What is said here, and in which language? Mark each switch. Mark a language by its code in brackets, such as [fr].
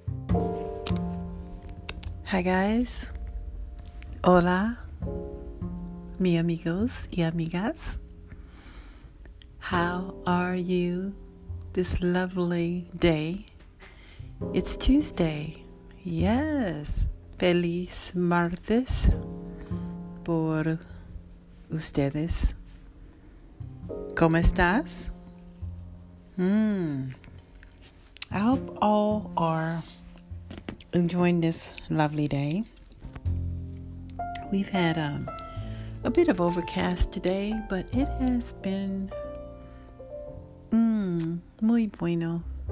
[en] Hi guys, [es] hola, mi amigos y amigas, [en] how are you this lovely day? It's Tuesday, yes, [es] feliz martes por ustedes, ¿cómo estás? [en] I hope all are enjoying this lovely day. We've had a bit of overcast today, but it has been [es] muy bueno.